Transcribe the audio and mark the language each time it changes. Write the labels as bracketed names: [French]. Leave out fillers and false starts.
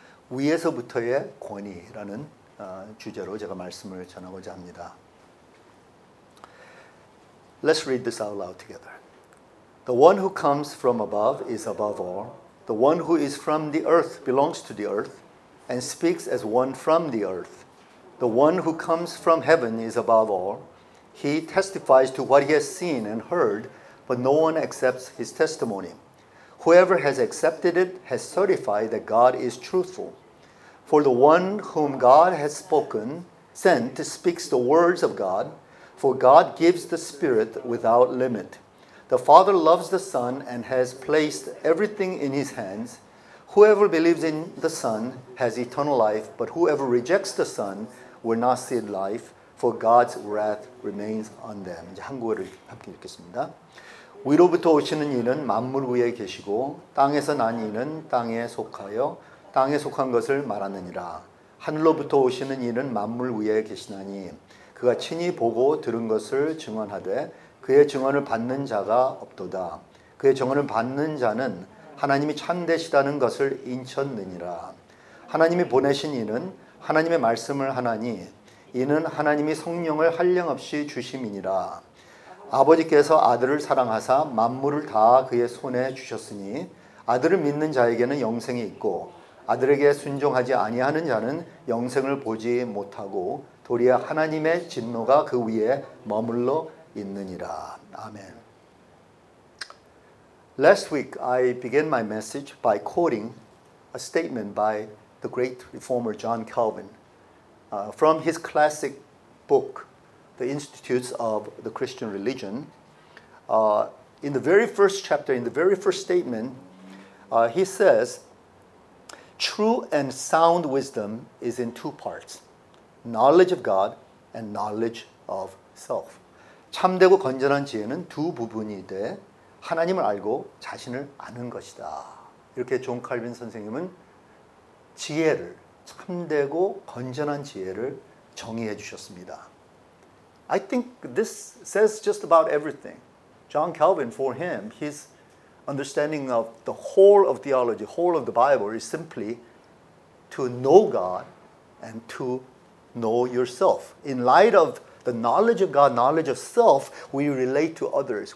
[Korean] 위에서부터의 권위라는 주제로 제가 말씀을 전하고자 합니다. [English] Let's read this out loud together. The one who comes from above is above all. The one who is from the earth belongs to the earth and speaks as one from the earth. The one who comes from heaven is above all. He testifies to what he has seen and heard, but no one accepts his testimony. Whoever has accepted it has certified that God is truthful. For the one whom God has spoken, sent, speaks the words of God, for God gives the Spirit without limit. The Father loves the Son and has placed everything in his hands. Whoever believes in the Son has eternal life, but whoever rejects the Son will not see life, for God's wrath remains on them. [Korean] 이제 한국어를 함께 읽겠습니다. 위로부터 오시는 이는 만물 위에 계시고 땅에서 난 이는 땅에 속하여 땅에 속한 것을 말하느니라. 하늘로부터 오시는 이는 만물 위에 계시나니 그가 친히 보고 들은 것을 증언하되 그의 증언을 받는 자가 없도다. 그의 증언을 받는 자는 하나님이 참되시다는 것을 인쳤느니라. 하나님이 보내신 이는 하나님의 말씀을 하나니 이는 하나님이 성령을 한량없이 주심이니라. 아버지께서 아들을 사랑하사 만물을 다 그의 손에 주셨으니 아들을 믿는 자에게는 영생이 있고 아들에게 순종하지 아니하는 자는 영생을 보지 못하고 도리어 하나님의 진노가 그 위에 머물러 있느니라. 아멘. [English] Last week I began my message by quoting a statement by the great reformer John Calvin from his classic book The Institutes of the Christian Religion. In the very first chapter, in the very first statement, he says, true and sound wisdom is in two parts, knowledge of God and knowledge of self. [Korean] 참되고 건전한 지혜는 두 부분이 돼 하나님을 알고 자신을 아는 것이다. 이렇게 존 칼빈 선생님은 지혜를, 참되고 건전한 지혜를 정의해 주셨습니다. [English] I think this says just about everything. John Calvin, for him, his understanding of the whole of theology, whole of the Bible, is simply to know God and to know yourself. In light of the knowledge of God, knowledge of self, we relate to others.